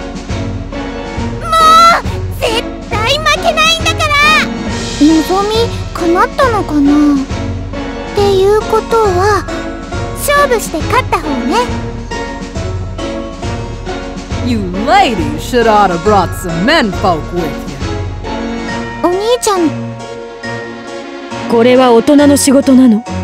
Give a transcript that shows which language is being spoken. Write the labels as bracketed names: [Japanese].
[Japanese] もう絶対負けないんだから。望み叶ったのかな。っていうことは勝負して勝った方ね。 [English] You lady should oughta brought some men folk with you。 [Japanese] お兄ちゃん、これは大人の仕事なの。